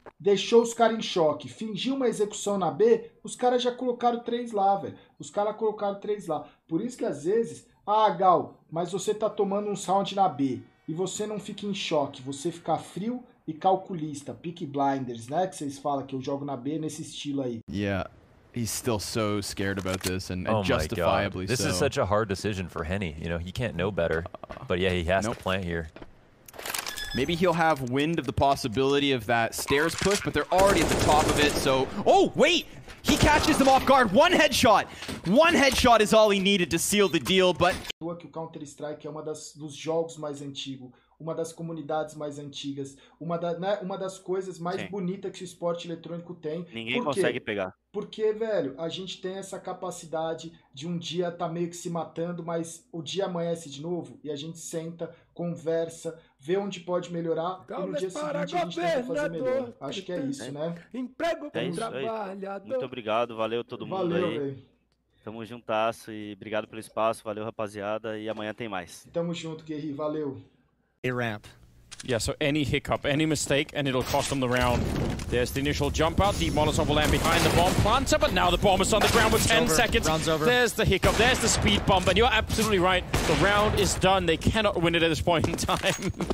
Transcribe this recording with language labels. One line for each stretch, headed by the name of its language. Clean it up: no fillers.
Portuguese: Deixou os caras em choque. Fingiu uma execução na B, os caras já colocaram 3 lá, velho. Os caras colocaram 3 lá. Por isso que às vezes... Ah, Gal, mas você tá tomando um sound na B. E você não fica em choque. Você fica frio e calculista. Peaky Blinders, né? Que vocês falam que eu jogo na B nesse estilo aí.
English: Yeah, he's still so scared about this. And justifiably so. This is such a hard decision for Henny. You know, he can't know better. But yeah, he has to plant here. Maybe he'll have wind of the possibility of that stairs push, but they're already at the top of it, so... Oh, wait! He catches them off guard. One headshot! One headshot is all he needed to seal the deal, but...
Portuguese: ...o Counter-Strike é uma das, dos jogos mais antigos, uma das comunidades mais antigas, uma, da, né, uma das coisas mais bonitas que o esporte eletrônico tem. Ninguém consegue pegar. Porque, velho, a gente tem essa capacidade de um dia tá meio que se matando, mas o dia amanhece de novo e a gente senta, conversa, vê onde pode melhorar e no dia seguinte a gente tenta fazer melhor. Acho que é isso, né? Emprego pro trabalhador. Muito obrigado, valeu todo mundo aí. Valeu, velho. Tamo juntasso e obrigado pelo espaço, valeu rapaziada e amanhã tem mais. Tamo junto, Guerri, valeu.
English: A ramp. Yeah, so any hiccup, any mistake, and it'll cost them the round. There's the initial jump out. The Molotov will land behind the bomb planter, but now the bomb is on the ground with 10 over. Seconds. Round's over. There's the hiccup. There's the speed bomb. And you're absolutely right. The round is done. They cannot win it at this point in time.